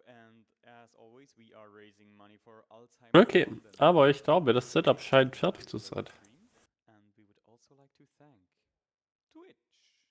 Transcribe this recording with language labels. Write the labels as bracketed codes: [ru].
[en] And as always, we are raising money for Alzheimer's. [de] Okay, aber ich glaube, das Setup scheint fertig zu sein. [en] And we would also like to thank Twitch.